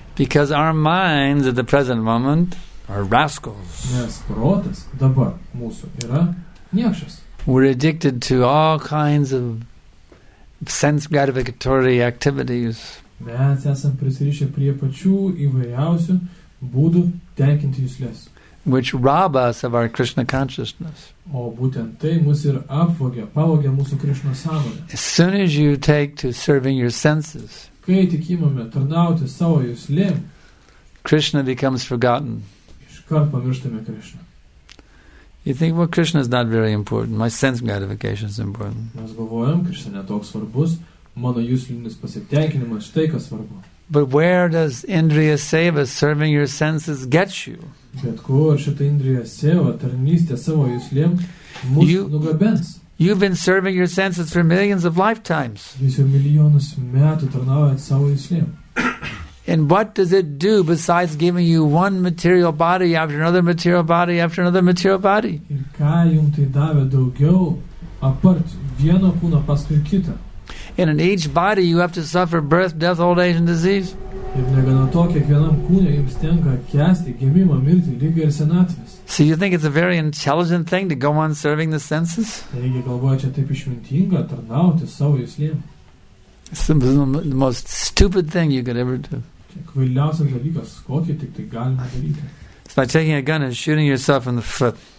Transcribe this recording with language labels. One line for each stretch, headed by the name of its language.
English: Because our minds at the present moment are rascals.
Lithuanian: Nes protas dabar mūsų yra niekšas.
English: We're addicted to all kinds of sense gratificatory activities.
Lithuanian: Mes esam prisirišę prie pačių įvairiausių būdų tenkinti jusles.
English: Which rob us of our Krishna consciousness.
Lithuanian: O būtent tai mus ir apvogia, pavogia mūsų Krishna sąmonę.
English: As soon as you take to serving your senses,
Lithuanian: kai tik imame tarnauti savo juslėm,
English: Krishna becomes forgotten.
Lithuanian: Iškart pamirštame Krishna.
English: You think, well, Krishna is not very important. My sense gratification is important.
Lithuanian: Mes galvojam, Krishna netoks svarbus. Mano juslinis pasitenkinimas štai kas svarbu.
English: But where does Indriya Seva serving your senses get you?
Lithuanian: Bet kur šita Indriya Seva tarnystė savo juslėm mūsų nugabens?
English: You've been serving your senses for millions of lifetimes.
Lithuanian: Jūs jau milijonus metų tarnaujat savo juslėm.
English: And what does it do besides giving you one material body after another material body after another material body?
Lithuanian: Ir ką jums tai davė daugiau apart vieno kūno paskui kitą?
English: And in each body you have to suffer birth, death, old age and disease.
Lithuanian: Ir negana to, kiekvienam kūne jums tenka kęsti gimimą, mirtį, ligą ir senatvės.
English: So you think it's a very intelligent thing to go on serving the senses?
Lithuanian: Taigi galvoja, čia taip išmintinga tarnauti savo juslėm.
English: It's the most stupid thing you could ever do. It's like taking a gun and shooting yourself in the foot.